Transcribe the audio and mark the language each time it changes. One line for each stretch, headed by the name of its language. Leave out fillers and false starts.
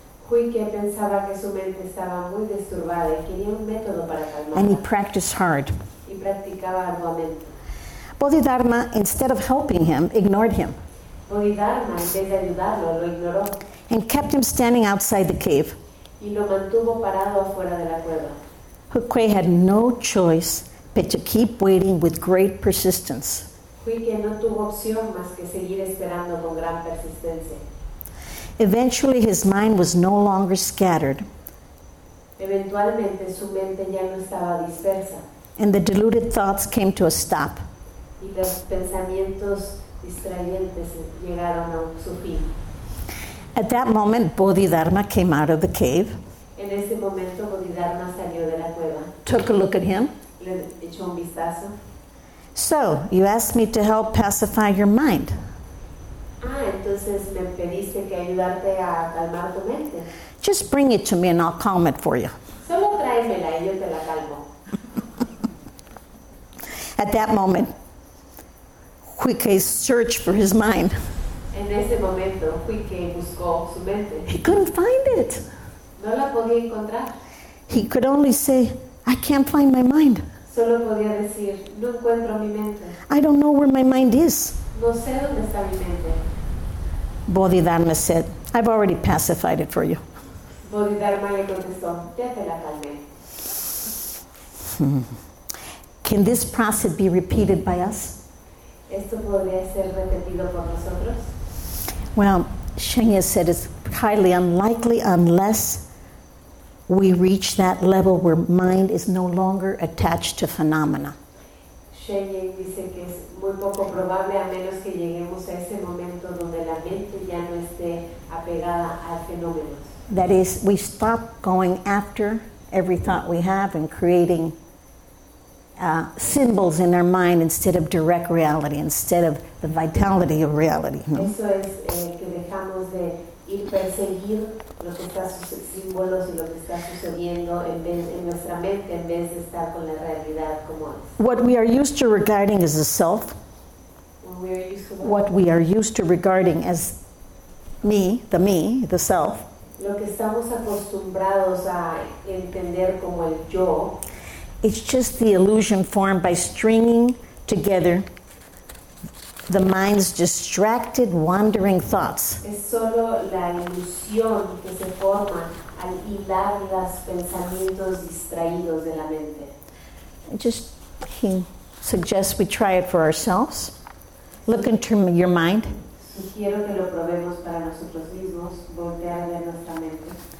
Spanish: Huike pensaba que su mente estaba muy disturbada y quería un método para calmarla.
English: And he practiced hard.
Spanish: Y practicaba arduamente.
English: Bodhidharma, instead of helping him, ignored him.
Spanish: Bodhidharma, en vez de ayudarlo, lo ignoró.
English: And kept him standing outside the cave.
Spanish: Y lo mantuvo parado afuera de la cueva.
English: Huike had no choice but to keep waiting with great persistence.
Spanish: Huike no tuvo opción más que seguir esperando con gran persistencia.
English: Eventually his mind was no longer scattered.
Spanish: Eventualmente su mente ya no estaba dispersa.
English: And the deluded thoughts came to a stop.
Spanish: Y los pensamientos distrayentes llegaron a su fin.
English: At that moment, Bodhidharma came out of the cave.
Spanish: En ese momento, Bodhidharma salió de la cueva.
English: Took a look at him.
Spanish: Le echó un vistazo.
English: So, you asked me to help pacify your mind.
Spanish: Ah, entonces me pediste que ayudarte a calmar tu mente.
English: Just bring it to me and I'll calm it for you.
Spanish: Solo tráemela y yo te la calmo.
English: At that moment, Huike searched for his mind.
Spanish: En ese momento, Huike buscó su mente.
English: He couldn't find it.
Spanish: No la podía encontrar.
English: He could only say, I can't find my mind.
Spanish: Solo podía decir, no encuentro mi mente.
English: I don't know where my mind is.
Spanish: No sé dónde está mi mente.
English: Bodhidharma said, I've already pacified it for you.
Spanish: Bodhidharma le contestó, ya te la calmé.
English: Can this process be repeated by us?
Spanish: ¿Esto podría ser repetido por nosotros?
English: Well, Shenya said it's highly unlikely unless we reach that level where mind is no longer attached to phenomena.
Spanish: Shenya dice que es muy poco probable a menos que lleguemos a ese momento donde la mente ya no esté apegada a fenómenos.
English: That is, we stop going after every thought we have and creating symbols in our mind instead of direct reality, instead of the vitality of reality.
Spanish: Eso es que dejamos de ir perseguir lo que está símbolos y lo que está sucediendo en nuestra mente en vez de estar con la realidad como es.
English: What we are used to regarding as a self, what we are used to regarding as me, the self,
Spanish: lo que estamos acostumbrados a entender como el yo,
English: it's just the illusion formed by stringing together the mind's distracted, wandering thoughts.
Spanish: Es solo la ilusión que se forma al hilar los pensamientos distraídos de la mente.
English: Just, he suggests we try it for ourselves. Look into your mind.
Spanish: Sugiero que lo probemos para nosotros mismos, voltear en nuestra mente.